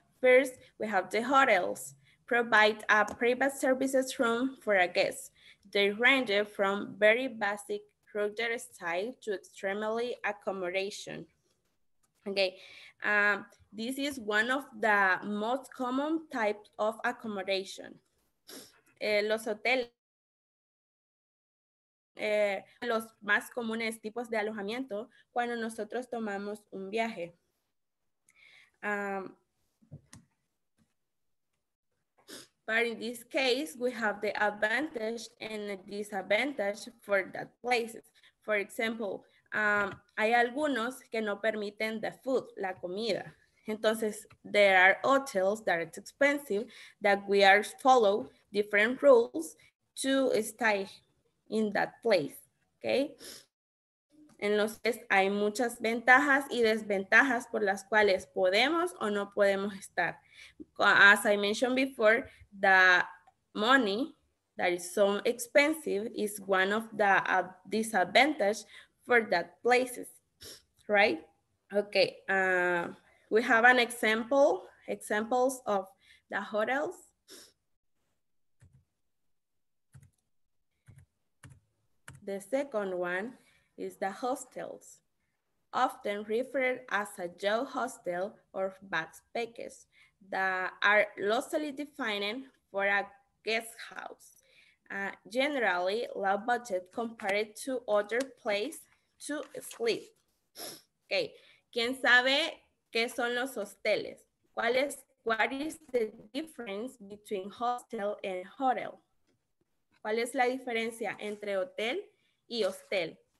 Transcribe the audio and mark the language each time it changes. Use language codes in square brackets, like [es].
[en] First, we have the hotels. Provide a private services room for a guest. They range from very basic hotel style to extremely accommodation. Okay, this is one of the most common types of accommodation. [es] Los hoteles, los más comunes tipos de alojamiento cuando nosotros tomamos un viaje. [en] But in this case, we have the advantage and the disadvantage for that place. For example, [es] hay algunos que no permiten [en] the food, [es] la comida. Entonces, [en] there are hotels that are expensive that we are follow different rules to stay in that place, okay? [es] Entonces, hay muchas ventajas y desventajas por las cuales podemos o no podemos estar. [en] As I mentioned before, the money that is so expensive is one of the disadvantages for that places, right? Okay, we have an examples of the hotels. The second one is the hostels, often referred as a jail hostel or backpackers, that are loosely defined for a guest house. Generally, low budget compared to other places to sleep. [es] Okay, ¿quién sabe qué son los hosteles? [en] What is the difference between hostel and hotel? [es] ¿Cuál es la diferencia entre hotel y hostel?